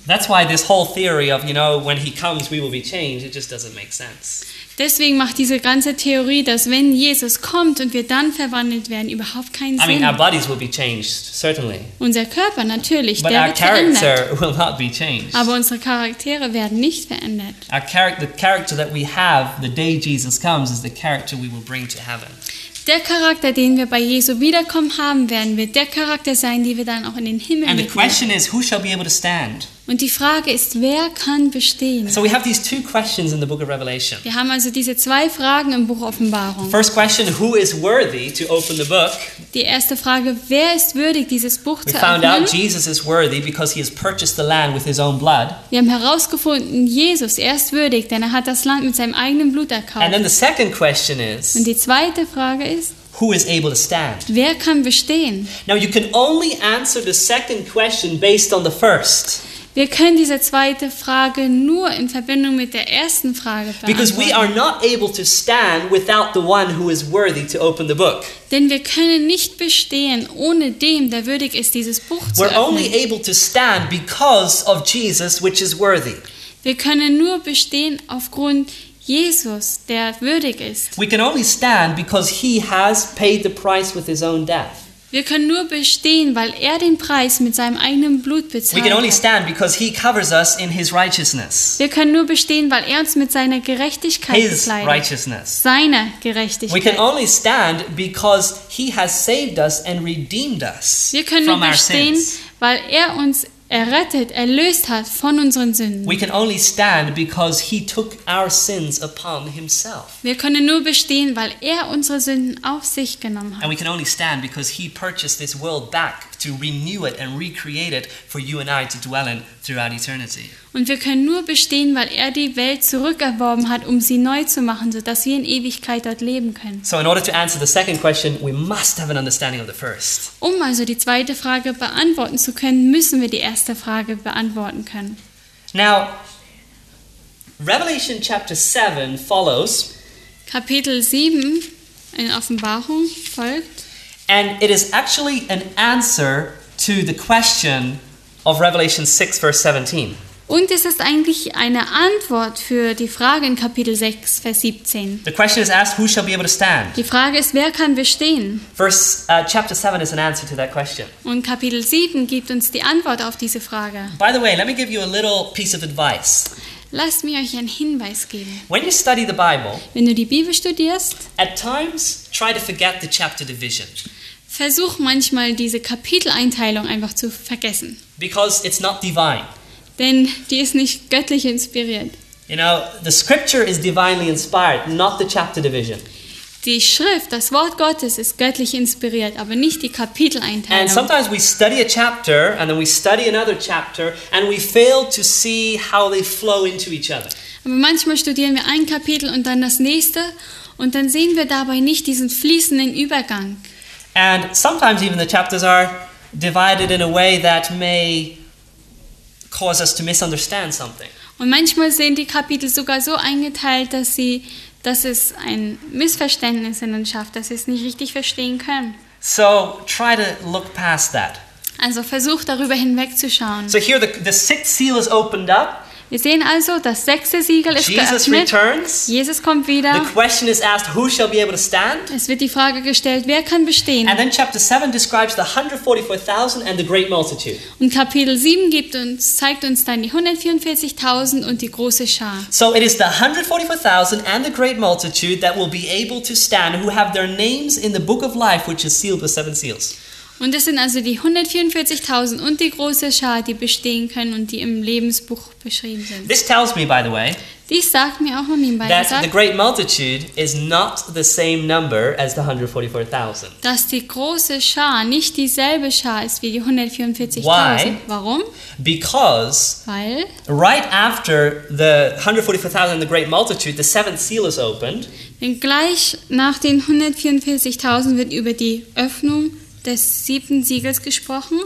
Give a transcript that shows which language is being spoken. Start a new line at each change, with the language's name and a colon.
English: That's why this whole theory of, you know, when he comes we will be changed, it just doesn't make sense.
German: Deswegen macht diese ganze Theorie, dass wenn Jesus kommt und wir dann verwandelt werden, überhaupt keinen Sinn.
English: I mean, our bodies will be changed, certainly.
German: Unser Körper natürlich,
English: but
German: der
English: our
German: wird
English: character
German: verändert.
English: Will not be changed.
German: Aber unsere Charaktere werden nicht verändert.
English: The character that we have the day Jesus comes is the character we will bring to heaven.
German: Der Charakter, den wir bei Jesu Wiederkommen haben werden, wird der Charakter sein, den wir dann auch in den Himmel
English: And
German: mitnehmen.
English: The question is, who shall be able to stand?
German: Und die Frage ist, wer kann bestehen?
English: So we have these two questions in the book of Revelation.
German: Wir haben also diese zwei Fragen im Buch Offenbarung.
English: First question, who is worthy to open the book?
German: Die erste Frage, wer ist würdig, dieses Buch zu öffnen?
English: We found out Jesus is worthy because he has purchased the land with his own blood.
German: Wir haben herausgefunden, Jesus, er ist würdig, denn er hat das Land mit seinem eigenen Blut erkauft.
English: And then the second question is,
German: und die zweite Frage ist,
English: who is able to stand?
German: Wer kann bestehen?
English: Now you can only answer the second question based on the first.
German: Wir können diese zweite Frage nur in Verbindung mit der ersten Frage beantworten.
English: Because we are not able to stand without the one who is worthy to open the book.
German: Denn wir können nicht bestehen ohne dem, der würdig ist, dieses Buch zu öffnen.
English: We're only able to stand because of Jesus, which is worthy.
German: Wir können nur bestehen aufgrund Jesus, der würdig ist.
English: We can only stand because he has paid the price with his own death.
German: Wir können nur bestehen, weil er den Preis mit seinem eigenen Blut bezahlt hat.
English: We can only stand because he covers us in his righteousness.
German: Wir können nur bestehen, weil er uns mit seiner Gerechtigkeit bekleidet.
English: His righteousness.
German: Seine Gerechtigkeit.
English: We can only stand because he has saved us and redeemed us from our sins.
German: Wir können nur bestehen, weil er uns errettet, erlöst hat von unseren Sünden.
English: We can only stand because he took our sins upon himself.
German: Wir können nur bestehen, weil er unsere Sünden auf sich genommen hat.
English: And we can only stand because he purchased this world back to renew it and recreate it for you and I to dwell in throughout eternity.
German: Und wir können nur bestehen, weil er die Welt zurückerworben hat, um sie neu zu machen, so dass wir in Ewigkeit dort leben können.
English: So in order to answer the second question, we must have an understanding of the first.
German: Um also die zweite Frage beantworten zu können, müssen wir die erste Frage beantworten können.
English: Now, Revelation chapter 7 follows.
German: Kapitel 7 in Offenbarung folgt.
English: And it is actually an answer to the question of Revelation 6 verse 17.
German: Und es ist eigentlich eine Antwort für die Frage in Kapitel 6, Vers 17.
English: The question is asked, who shall be able to stand?
German: Die Frage ist, wer kann bestehen?
English: Chapter 7 is an answer to that question.
German: Und Kapitel 7 gibt uns die Antwort auf diese Frage.
English: By the way, let me give you a little piece of advice.
German: Lasst mir euch einen Hinweis geben.
English: When you study the Bible,
German: wenn du die Bibel studierst,
English: at times try to forget the chapter division.
German: Versuch manchmal, diese Kapiteleinteilung einfach zu vergessen.
English: Because it's not divine.
German: Denn die ist nicht göttlich inspiriert.
English: You know, the scripture is divinely inspired, not the chapter division.
German: Die Schrift, das Wort Gottes, ist göttlich inspiriert, aber nicht die Kapiteleinteilung.
English: And sometimes we study a chapter and then we study another chapter and we fail to see how they flow into each other.
German: Aber manchmal studieren wir ein Kapitel und dann das nächste und dann sehen wir dabei nicht diesen fließenden Übergang.
English: And sometimes even the chapters are divided in a way that may cause us to misunderstand something.
German: Und manchmal sind die Kapitel sogar so eingeteilt, dass es ein Missverständnis in uns schafft, dass wir es nicht richtig verstehen können.
English: So try to look past that.
German: Also versuch darüber hinwegzuschauen.
English: So here the sixth seal is opened up.
German: Wir sehen also, das sechste Siegel ist
English: Jesus
German: geöffnet.
English: Returns.
German: Jesus kommt wieder.
English: The question is asked, who shall be able to stand?
German: Es wird die Frage gestellt, wer kann bestehen?
English: And then chapter 7 describes the 144,000 and the great multitude.
German: Und Kapitel 7 zeigt uns dann die 144,000 und die große Schar.
English: So it is the 144,000 and the great multitude that will be able to stand, who have their names in the book of life, which is sealed with seven seals.
German: Und es sind also die 144,000 und die große Schar, die bestehen können und die im Lebensbuch beschrieben sind.
English: This tells me, by the way,
German: dies sagt mir auch nebenbei,
English: that the great multitude is not the same number as the 144,000.
German: Dass die große Schar nicht dieselbe Schar ist wie die 144,000.
English: Why?
German: Warum?
English: Because,
German: weil
English: right after the 144,000 and the great multitude, the seventh seal is opened.
German: Denn gleich nach den 144,000 wird über die Öffnung des siebten Siegels gesprochen.